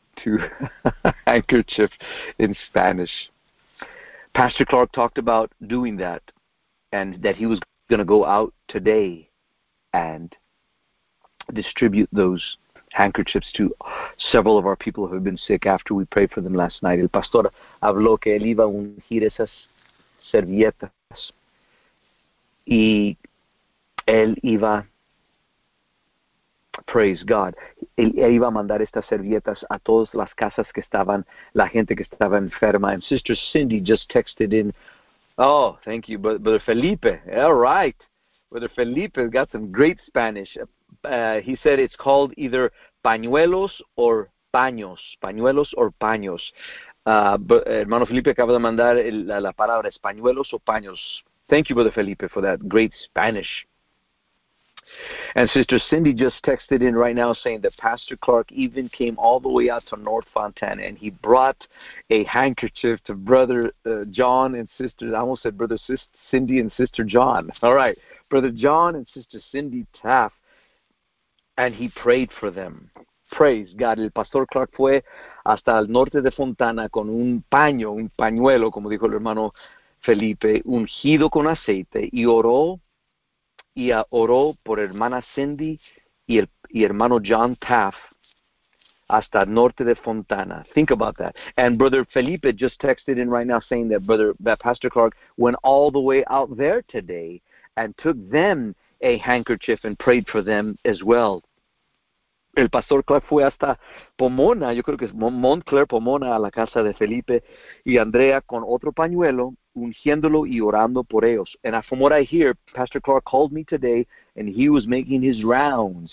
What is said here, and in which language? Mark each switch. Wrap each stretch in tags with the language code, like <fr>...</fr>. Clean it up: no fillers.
<en>To handkerchief in Spanish. Pastor Clark talked about doing that and that he was going to go out today and distribute those handkerchiefs to several of our people who have been sick after we prayed for them last night.</en> <es>El pastor habló que él iba a ungir esas servilletas y él iba,</es> <en>praise God,</en> <es>él iba a mandar estas servilletas a todas las casas que estaban, la gente que estaba enferma.</es> <en>And Sister Cindy just texted in. Oh, thank you, Brother Felipe. All right. Brother Felipe got some great Spanish. He said it's called either pañuelos or paños. Pañuelos or paños.</en> <es>Hermano Felipe acaba de mandar la palabra pañuelos o paños.</es> <en>Thank you, Brother Felipe, for that great Spanish. And Sister Cindy just texted in right now saying that Pastor Clark even came all the way out to North Fontana and he brought a handkerchief to Brother John and Sister, I almost said Brother Cindy and Sister John. All right, Brother John and Sister Cindy Taft, and he prayed for them. Praise God.</en> <es>El Pastor Clark fue hasta el norte de Fontana con un pañuelo, como dijo el hermano Felipe, ungido con aceite y oró. Y oró por hermana Cindy y hermano John Taff hasta norte de Fontana.</es> <en>Think about that. And Brother Felipe just texted in right now saying that Pastor Clark went all the way out there today and took them a handkerchief and prayed for them as well.</en> <es>El Pastor Clark fue hasta Pomona, yo creo que es Montclair, Pomona, a la casa de Felipe y Andrea con otro pañuelo, ungiéndolo y orando por ellos.</es> <en>And from what I hear, Pastor Clark called me today, and he was making his rounds.</en>